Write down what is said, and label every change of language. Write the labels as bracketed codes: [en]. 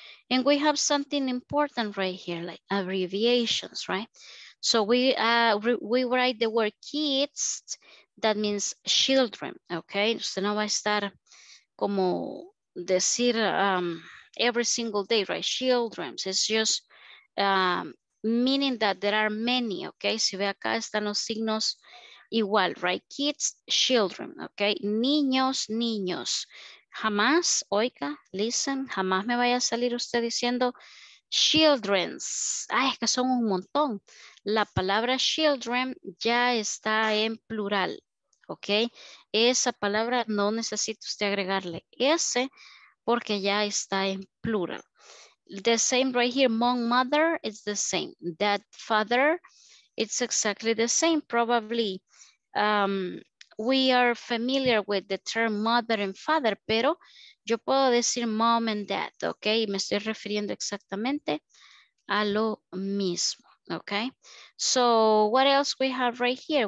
[en] And we have something important right here, like abbreviations, right? So we write the word kids, that means children, okay? [es] Usted no va a estar como decir [en] every single day, right? Children, it's just meaning that there are many, okay? [es] Si ve acá están los signos igual, right? [en] Kids, children, okay? [es] Niños, niños. Jamás, oiga, listen, jamás me vaya a salir usted diciendo children's. Ay, es que son un montón. La palabra children ya está en plural, ¿ok? Esa palabra no necesita usted agregarle S porque ya está en plural. [en] The same right here, mom, mother, it's the same. Dad, father, it's exactly the same. Probably we are familiar with the term mother and father, [es] pero yo puedo decir [en] mom and dad, ¿ok? [es] Y me estoy refiriendo exactamente a lo mismo. [en] Okay, so what else we have right here?